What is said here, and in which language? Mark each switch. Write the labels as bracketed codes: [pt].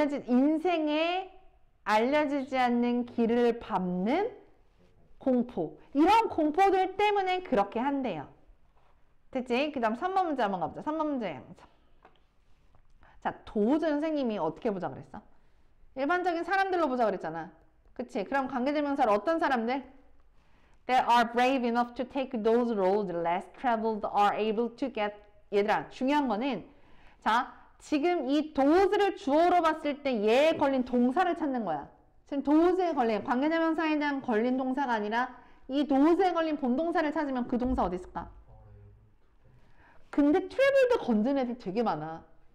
[ko] 인생에 알려지지 않는 길을 밟는 공포. 이런 공포들 때문에 그렇게 한대요. 됐지? 그 다음 3번 문제 한번 가보자. 3번 문제. 자, 도우즈 선생님이 어떻게 보자 그랬어? 일반적인 사람들로 보자 그랬잖아. 그치? 그럼 관계대명사로 어떤 사람들? [en] They are brave enough to take those roads less traveled are able to get. [ko] 얘들아, 중요한 거는, 자, 지금 이 도우즈를 주어로 봤을 때 얘에 걸린 동사를 찾는 거야. 지금 도우즈에 걸린, 관계대명사에 대한 걸린 동사가 아니라 이 도우즈에 걸린 본동사를 찾으면 그 동사 어디 있을까? 근데 트래블드 건진 애들 되게 많아.